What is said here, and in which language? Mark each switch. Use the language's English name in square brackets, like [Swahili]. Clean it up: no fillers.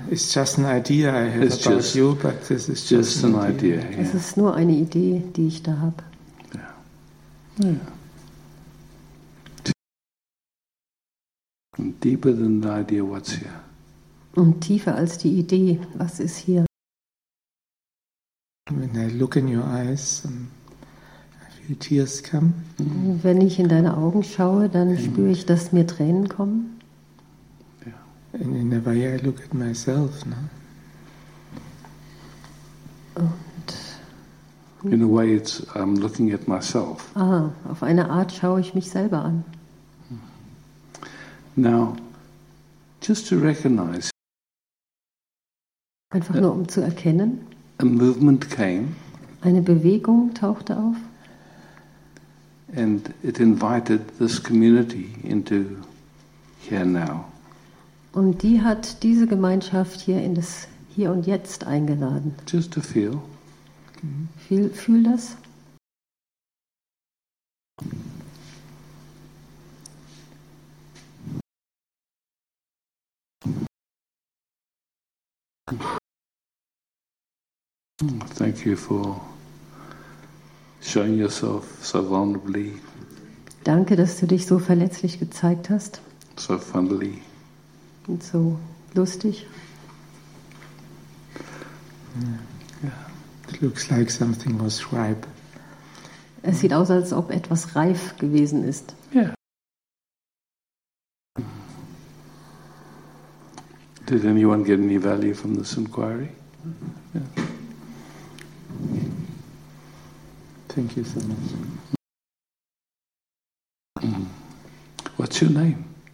[English] It's just an idea I have it's about just, you, but this is just an idea. [German] Es yeah. ist nur eine Idee, die ich da habe. [English] Yeah. Yeah. Deeper than the idea, what's here? [German] Und tiefer als die Idee, was ist hier? [English] When I look in your eyes, I feel tears come. [German] Wenn ich in deine Augen schaue, dann spüre ich, dass mir Tränen kommen. [English] And in a way I look at myself, no? [German] Und [English] in a way it's I'm looking at myself. [German] Ah, auf eine Art schaue ich mich selber an. [English] Now, just to recognize. [German] Einfach nur um zu erkennen. [English] A movement came. [German] Eine Bewegung tauchte auf. [English] And it invited this community into here now. [German] Und die hat diese Gemeinschaft hier in das Hier und Jetzt eingeladen. [English] Just to feel. [German] Fühl das. [English] Thank you for showing yourself so vulnerably. [German] Danke, dass du dich so verletzlich gezeigt hast. [English] So friendly. [German] Und so lustig. [English] Yeah. It looks like something was ripe. [German] Es sieht aus, als ob etwas reif gewesen ist. [English] Yeah. Did anyone get any value from this inquiry? Yeah. Thank you so much. What's your name?